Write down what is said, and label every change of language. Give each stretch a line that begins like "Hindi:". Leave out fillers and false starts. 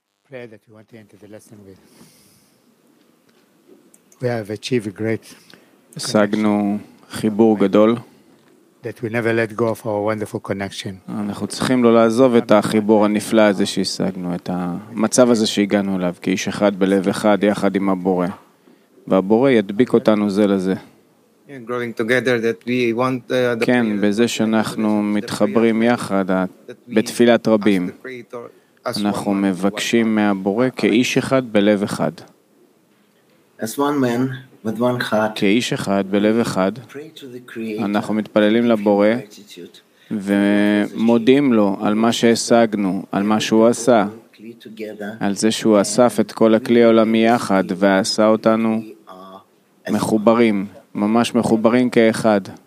English: That you want to enter the lesson with. We have achieved a great
Hebrew: השגנו חיבור גדול
English: that we never let go of our wonderful connection.
Hebrew: אנחנו צריכים לא לעזוב את החיבור הנפלא הזה שהשגנו, את המצב הזה שהגענו אליו, כאיש אחד בלב אחד יחד עם הבורא, והבורא ידביק אותנו זה לזה.
English: And growing together that we want the
Hebrew: כן, בזה שאנחנו מתחברים יחד בתפילת רבים, אנחנו מבקשים מהבורא כאיש אחד בלב אחד.
English: As one man with one heart.
Hebrew: כאיש אחד בלב אחד. אנחנו מתפללים לבורא ומודים לו על מה שהשגנו, על מה שהוא עשה. על זה שהוא אסף את כל הכלי העולמי יחד ועשה אותנו מחוברים, ממש מחוברים כאחד.